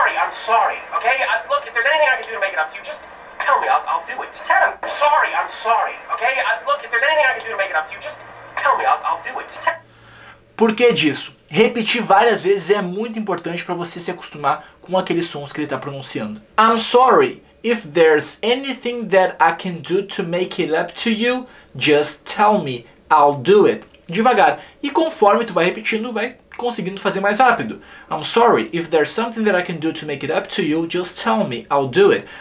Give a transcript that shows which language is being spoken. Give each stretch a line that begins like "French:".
English: I'm sorry, ok? Look, if there's anything I can do to make it up to you, just... Tell me, I'll do it. Ted, I'm sorry, ok? Look, if there's anything I can do to make it up to you, just tell me, I'll do it.
Portuguese: Por que disso? Repetir várias vezes é muito importante pra você se acostumar com aqueles sons que ele tá pronunciando.
English: I'm sorry, if there's anything that I can do to make it up to you, just tell me, I'll do it.
Portuguese: Devagar. E conforme tu vai repetindo, vai conseguindo fazer mais rápido.
English: I'm sorry, if there's something that I can do to make it up to you, just tell me, I'll do it.